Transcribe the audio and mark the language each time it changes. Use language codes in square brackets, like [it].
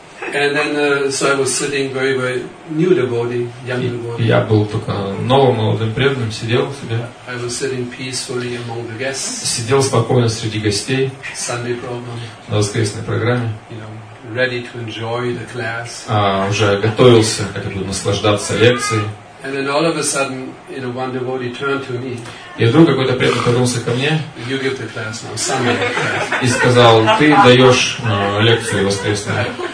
[en] And then, so I was sitting very, very new devotee, young devotee. [ru] Я был только новым молодым преданным, сидел себе. [en] I was sitting peacefully among the guests. [ru] Сидел спокойно среди гостей. [en] Sunday program. [ru] На воскресной программе. [en] You know, ready to enjoy the class. [ru] Уже готовился, как бы наслаждаться лекцией. [en] And then all of a sudden, you know, one devotee turned to me. [ru] И вдруг какой-то преданный повернулся ко мне. [en] You give the class now, Sunday class. [ru] И сказал: ты даешь лекцию воскресную.